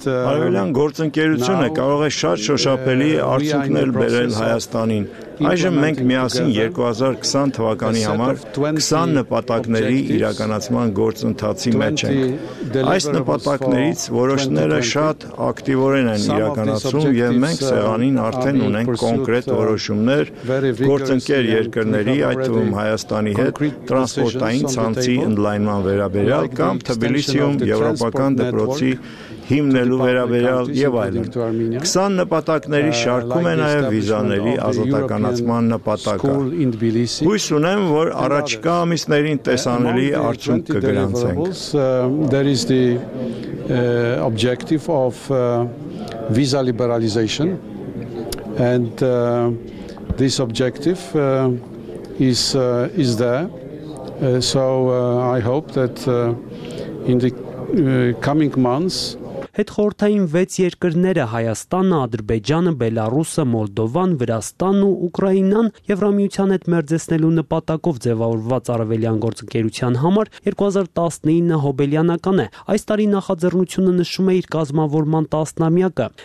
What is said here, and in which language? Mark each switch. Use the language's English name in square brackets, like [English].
[Armenian] Արևելյան գործընկերությունը կարող է շատ շոշափելի արդյունքներ բերել Հայաստանին։ Այժմ մենք միասին 2020 թվականի համար 20 նպատակների իրականացման գործընթացի մեջ ենք։ Այս նպատակներից որոշները շատ ակտիվորեն են իրականացվում և մենք սեղանին արդեն ունենք կոնկրետ որոշումներ գործընկեր երկրների, այդ թվում Հայաստանի հետ, տրանսպորտային ցանցի ընդլայնման վերաբերյալ կամ Թբիլիսիում եվրոպական դպրոցի հիմնելու վերաբերյալ եւ այլն։ 20 նպատակների շարքում է նաեւ վիզաների ազատականացման նպատակը։ Հույս ունեմ, որ առաջիկա ամիսներին տեսանելի արդյունք կգրանցենք։ [English] There is the objective of visa liberalization and this objective is there. So I hope that in the coming months [Armenian] հետ խորհրդային 6 երկրները Հայաստանը, Ադրբեջանը, Բելարուսը, Մոլդովան, Վրաստանն ու Ուկրաինան Եվրամիության հետ մերձեցնելու նպատակով ձևավորված արևելյան գործընկերության համար 2019-ը հոբելյանական է։ Այս տարի նախաձեռնությունը նշում է իր կազմավորման տասնամյակը։